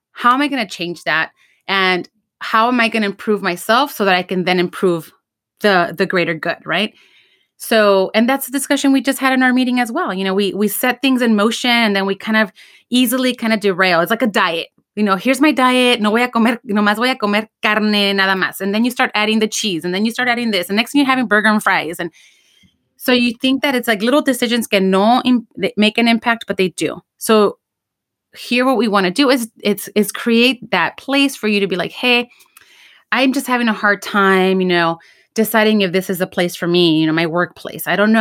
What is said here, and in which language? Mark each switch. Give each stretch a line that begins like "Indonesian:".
English: How am I going to change that? And how am I going to improve myself so that I can then improve the greater good, right? So, and that's a discussion we just had in our meeting as well. You know, we set things in motion and then we kind of easily kind of derail. It's like a diet. You know, here's my diet.
Spanish: No voy a comer, nomás voy a comer carne, nada más.
English: And then you start adding the cheese and then you start adding this. And next thing you're having burger and fries. And so you think that it's like little decisions can no make an impact, but they do. So here, what we want to do is create that place for you to be like, hey, I'm just having a hard time, you know, deciding if this is a place for me, you know, my workplace. I don't know.